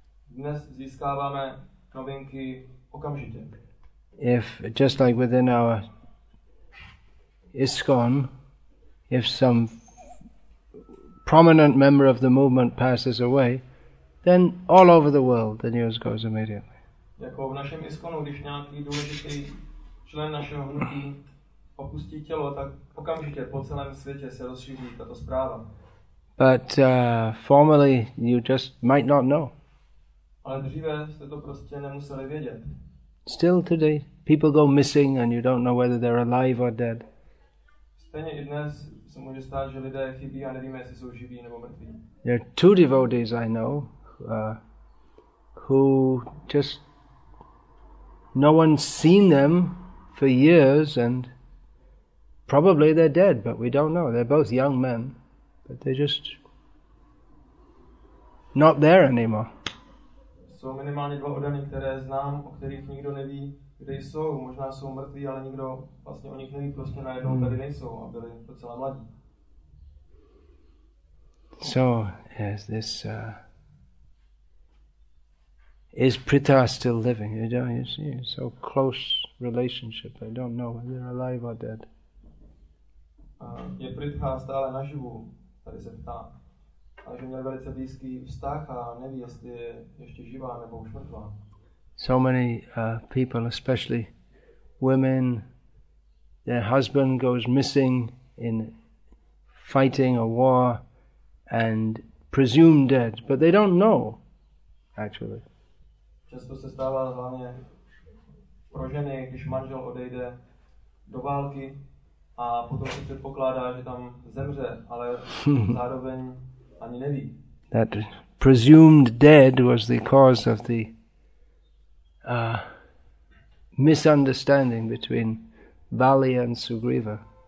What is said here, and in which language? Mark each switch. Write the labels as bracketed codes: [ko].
[cs] Dnes získáváme novinky okamžitě. [en] If just like within our ISKCON, if some prominent member of the movement passes away, then all over the world the news goes immediately. [cs] Jako v našem ISKCONu, když nějaký důležitý člen našeho hnutí opustí tělo, tak okamžitě po celém světě se rozšíří tato zpráva. [en] But formally you just might not know. [cs] Ale dříve jste to prostě nemuseli vědět. [en] Still today, people go missing and you don't know whether they're alive or dead. [cs] Stejně i dnes se může stát, že lidé chybí a nevíme, jestli jsou živí nebo mrtví. [en] There are two devotees I know who just no one's seen them for years and probably they're dead, but we don't know. They're both young men, but they're just not there anymore. [cs] Jsou minimálně dva odany, které znám, o kterých nikdo neví, kde jsou. Možná jsou mrtví, ale nikdo vlastně o nich neví, prostě najednou tady nejsou a byli docela mladí. [en] So, yes, this is Pritha still living? You don't, you see, so close relationship. I don't know whether they're alive or dead. [cs] Je Pritha stále naživu? Tady se ptá. Ale že měl velice blízký vztah a neví, jestli je ještě živá nebo už mrtvá. [en] So many people, especially women, their husband goes missing in fighting a war and presumed dead, but they don't know, actually. [cs] Často se stává hlavně pro ženy, když manžel odejde do války a potom se předpokládá, že tam zemře, ale zároveň ani neví. [en] That presumed dead was the cause of the misunderstanding between Vali and Sugriva.